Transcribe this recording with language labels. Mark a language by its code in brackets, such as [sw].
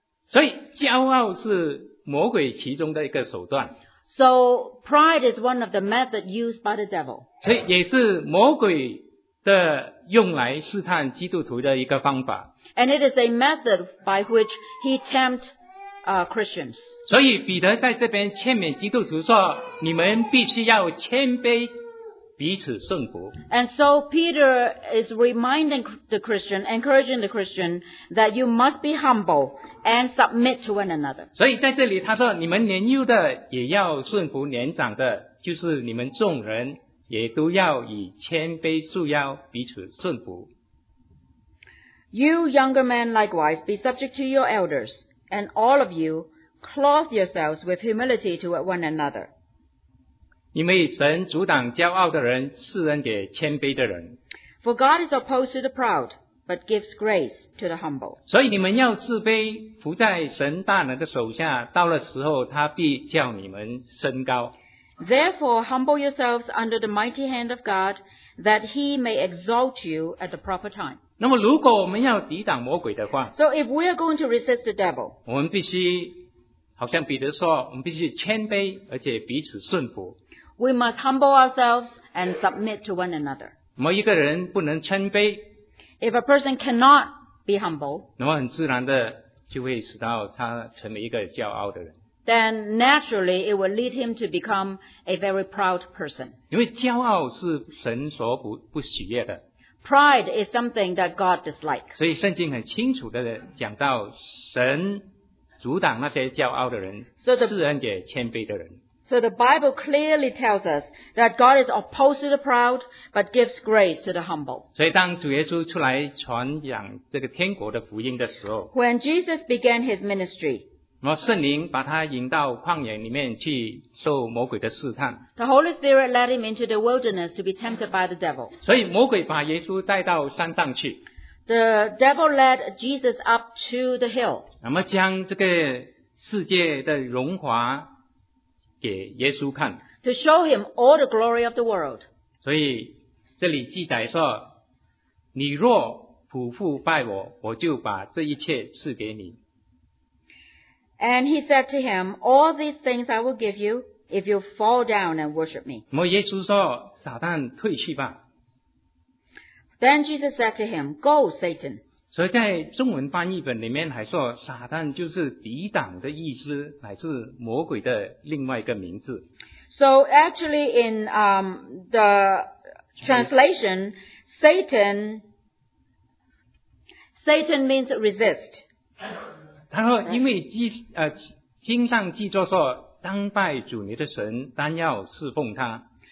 [zh] 所以骄傲是魔鬼其中的一个手段。 [en] So pride is one of the methods used by the devil. [zh] 所以也是魔鬼的用来试探基督徒的一个方法。 [en] And it is a method by which he tempts Christians. [zh] 所以彼得在这边劝勉基督徒说，你们必须要谦卑，彼此顺服。 [en] And so Peter is reminding the Christian, encouraging the Christian that you must be humble and submit to one another. [zh] 所以在这里他说，你们年幼的也要顺服年长的，就是你们众人。也都要以谦卑束腰，彼此顺服。 [en] You younger men likewise be subject to your elders, and all of you clothe yourselves with humility toward one another. [zh] 因为神阻挡骄傲的人，赐恩给谦卑的人。 [en] For God is opposed to the proud, but gives grace to the humble. [zh] 所以你们要自卑，伏在神大能的手下，到了时候他必叫你们升高。 [en] Therefore, humble yourselves under the mighty hand of God, that he may exalt you at the proper time. [zh] 那么如果我们要抵挡魔鬼的话， [en] So if we are going to resist the devil, [zh] 我们必须，好像彼得说，我们必须谦卑，而且彼此顺服。 [en] We must humble ourselves and submit to one another. [zh] 那么一个人不能谦卑， [en] If a person cannot be humble, [zh] 那么很自然的就会使到他成为一个骄傲的人。 [en] Then naturally it will lead him to become a very proud person. [zh] 因为骄傲是神所不喜悦的。 [en] Pride is something that God dislikes. [zh] 所以圣经很清楚地讲到，神阻挡那些骄傲的人，赐恩给谦卑的人。 [en] So the Bible clearly tells us that God is opposed to the proud, but gives grace to the humble. [zh] 所以当主耶稣出来传讲这个天国的福音的时候， [en] When Jesus began his ministry, [zh] 然后圣灵把他引到旷野里面去受魔鬼的试探。 [en] The Holy Spirit led him into the wilderness to be tempted by the devil. [zh] 所以魔鬼把耶稣带到山上去。 [en] The devil led Jesus up to the hill. [zh] 那么将这个世界的荣华给耶稣看。 [en] To show him all the glory of the world. [zh] 所以这里记载说，你若俯伏拜我，我就把这一切赐给你。 [en] And he said to him, all these things I will give you if you fall down and worship me. [zh] 那么耶稣说，撒旦退去吧。 [en] Then Jesus said to him, go, Satan. [zh] 所以在中文翻译本里面还说，撒旦就是抵挡的意思，乃是魔鬼的另外一个名字。 [en] So actually in the translation, Satan means resist. [zh] 他说因为经上记着说，当拜主你的神，当要侍奉他。